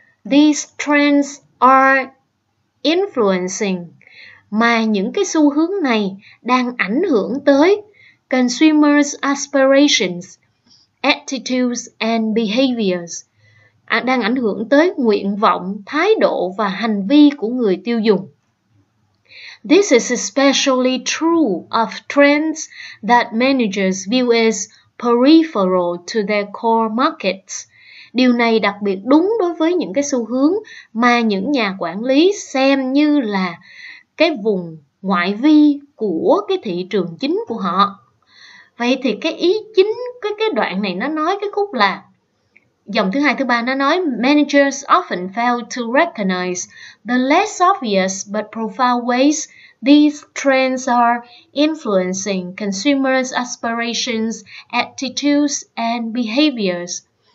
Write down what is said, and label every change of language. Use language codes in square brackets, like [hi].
[en] These trends are influencing. [vi] Mà những cái xu hướng này đang ảnh hưởng tới [en] consumers' aspirations, attitudes and behaviors. [vi] đang ảnh hưởng tới nguyện vọng, thái độ và hành vi của người tiêu dùng. [en] This is especially true of trends that managers view as peripheral to their core markets. [vi] Điều này đặc biệt đúng đối với những cái xu hướng mà những nhà quản lý xem như là cái vùng ngoại vi của cái thị trường chính của họ. Vậy thì cái ý chính, cái đoạn này nó nói cái khúc là dòng thứ hai, thứ ba nó nói [en] managers often fail to recognize the less obvious but profound ways these trends are influencing consumers' aspirations, attitudes and behaviors.